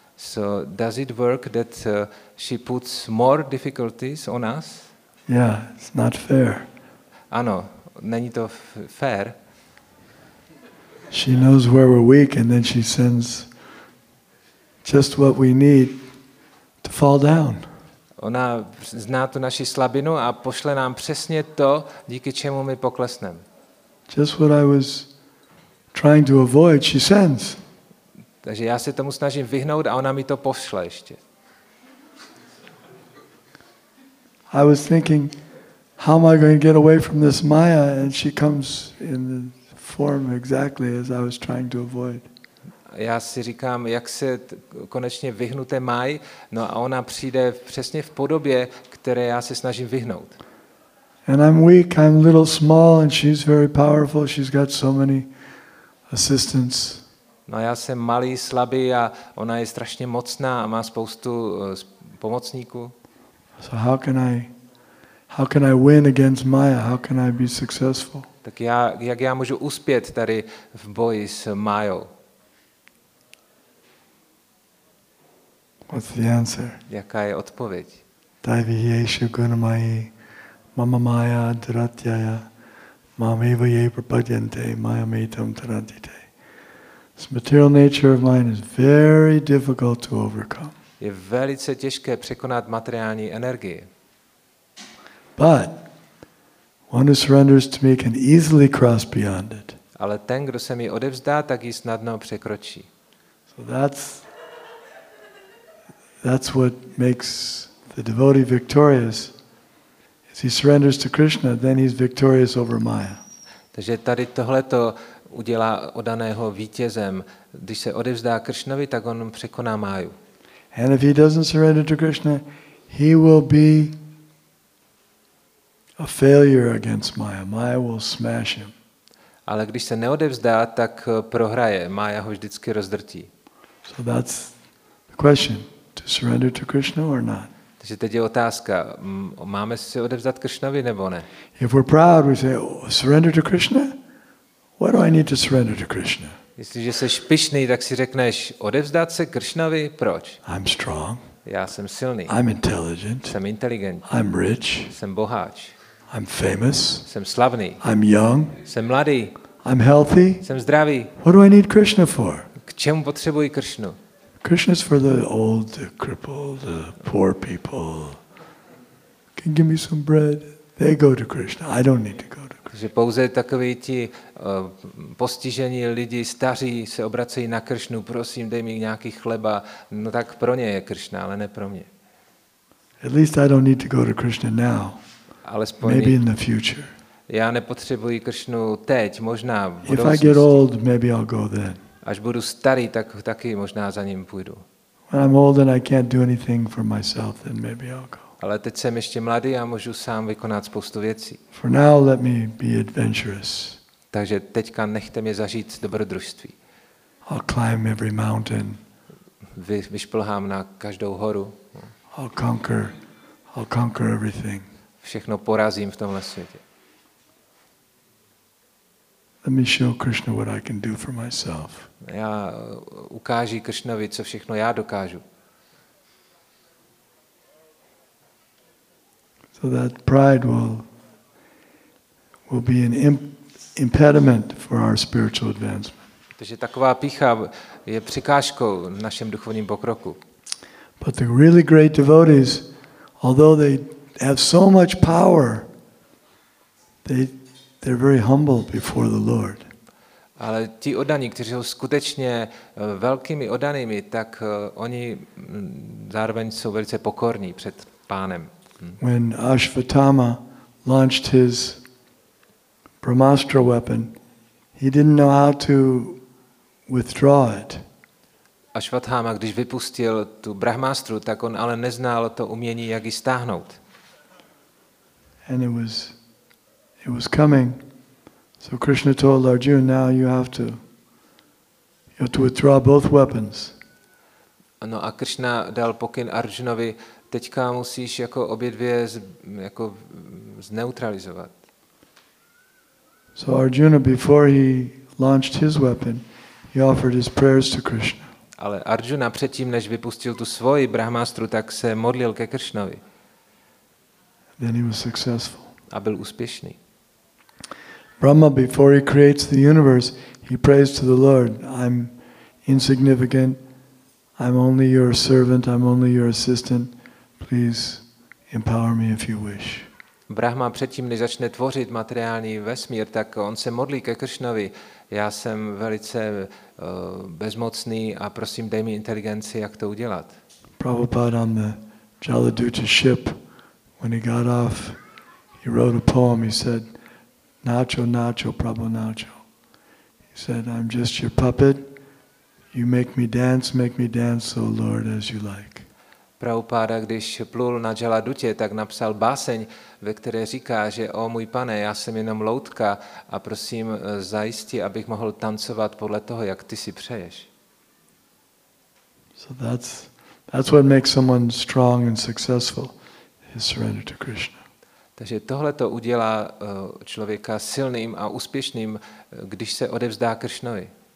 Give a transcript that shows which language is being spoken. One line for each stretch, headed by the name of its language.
English: So does it work that she puts more difficulties on us? Yeah, it's not fair.
Czech: Ano, není to fair.
English: She knows where we're weak and then she sends just what we need to fall down.
Czech: Ona zná tu naši slabinu a pošle nám přesně to, díky čemu my poklesneme.
English: Just what I was trying to avoid, she sends.
Czech: Takže já se tomu snažím vyhnout a ona mi to pošle ještě.
English: I was thinking, how am I going to get away from this Maya, and she comes in the form exactly as I was trying to avoid.
Czech: Já si říkám, jak se konečně vyhnu té Máji, no a ona přijde přesně v podobě, které já se snažím vyhnout.
English: And I'm weak, I'm little small and she's very powerful, she's got so many assistants.
Czech: No já jsem malý, slabý a ona je strašně mocná a má spoustu pomocníků.
English: So how can I win against Maya? How can I be successful?
Czech: Tak já, jak já můžu uspět tady v boji s Májou?
English: What's the answer?
Czech: Jaká je odpověď?
Sanskrit: Daivi yeshu gunamayi mama maya dratyaya mameva ye prapadyante mayamitam taradite.
English: This material nature of mine is very difficult to overcome.
Czech: Je velice těžké překonat materiální energii.
English: But one who surrenders to me can easily cross beyond it.
Czech: Ale ten, kdo se mi odevzdá, tak ji snadno překročí.
English: So that's what makes the devotee victorious. If he surrenders to Krishna, then he's victorious over Maya.
Czech: Takže tady tohleto udělá odaného vítězem. Když se odevzdá Krishnovi, tak on překoná Máju.
English: And if he doesn't surrender to Krishna, he will be a failure against Maya. Maya will smash him.
Czech: Ale když se neodevzdá, tak prohraje. Maya ho vždycky rozdrtí.
English: So that's the question. To surrender to Krishna or not?
Czech: Takže teď je otázka. Máme se odevzdat Krishnovi nebo ne?
English: If we're proud, we say, oh, surrender to Krishna? Why do I need to surrender to Krishna?
Czech: Jestliže jsi pyšný, tak si řekneš, odevzdat se Krishnovi, proč?
English: I'm strong.
Czech: Já jsem silný.
English: I'm intelligent.
Czech: Jsem inteligentní.
English: I'm rich.
Czech: Jsem bohač.
English: I'm famous.
Czech: Jsem slavný.
English: I'm young.
Czech: Jsem mladý.
English: I'm healthy.
Czech: Jsem zdravý.
English: What do I need Krishna for?
Czech: K čemu potřebuji Kršnu?
English: Krishna's for the old, the crippled, the poor people. Can you give me some bread? They go to Krishna. I don't need to go to Krishna.
Czech: Že pouze takoví ti postižení lidi, staří, se obracejí na Kršnu, prosím, dej mi nějaký chleba. No tak pro ně je Kršna, ale ne pro mě.
English: At least I don't need to go to Krishna now.
Czech: Alespoň
English: maybe in the future.
Czech: Já nepotřebuji Kršnu teď, možná v budoucnosti.
English: If I get old, maybe I'll go then.
Czech: Až budu starý, tak taky možná za ním půjdu.
English: When I'm old and I can't do anything for myself, then maybe I'll go.
Czech: Ale teď jsem ještě mladý a můžu sám vykonat spoustu věcí.
English: For now, let me be adventurous.
Czech: Takže teďka nechte mě zažít dobrodružství.
English: I'll climb every mountain.
Czech: Vyšplhám na každou horu.
English: I'll conquer everything.
Czech: Všechno porazím v tomhle světě.
English: Let me show Krishna what I can do for myself.
Czech: Já ukáži Kršnovi, co všechno já dokážu.
English: So that pride will be an impediment for our spiritual advancement.
Czech: Takže taková pýcha je překážkou našem duchovním pokroku.
English: But the really great devotees, although they have so much power, they're very humble before the Lord.
Czech: Ale ti oddaní, kteří jsou skutečně velkými oddanými, tak oni zároveň jsou velice pokorní před Pánem.
English: When Ashvatthama launched his Brahmastra weapon, he didn't know how to withdraw it.
Czech: Ashvatthama, když vypustil tu Brahmastru, tak on ale neznal to umění, jak ji stáhnout.
English: And it was coming. So Krishna told Arjuna, now you have to withdraw both weapons.
Czech: No a Krishna dal pokyn Arjunovi, teďka musíš jako obě dvě jako zneutralizovat.
English: So Arjuna, before he launched his weapon, he offered his prayers to Krishna.
Czech: Ale Arjuna předtím, než vypustil tu svoji brahmastru, tak se modlil ke Kršnovi.
English: Then he was successful.
Czech: A byl úspěšný.
English: Brahma, before he creates the universe, he prays to the Lord, I'm insignificant, I'm only your servant, I'm only your assistant, please empower me if you wish.
Czech: Brahma předtím, než začne tvořit materiální vesmír, tak on se modlí ke Kršnovi, já jsem velice bezmocný a prosím, dej mi inteligenci, jak to udělat.
English: Prabhupada on the Jaladuta ship, when he got off, he wrote a poem, he said,
Bangla: Nacho, Nacho, Prabhu Nacho.
English: He said, I'm just your puppet. You make me dance, O Lord, as you like.
Czech: Prabhupada, když plul na Jaladutě, tak napsal báseň, ve které říká, že o můj pane, já jsem jenom loutka a prosím, zajisti, abych mohl tancovat podle toho, jak ty si přeješ.
English: So that's what makes someone strong and successful, his surrender to Krishna.
Czech: Takže tohle to udělá člověka silným a úspěšným, když se odevzdá Kršnovi.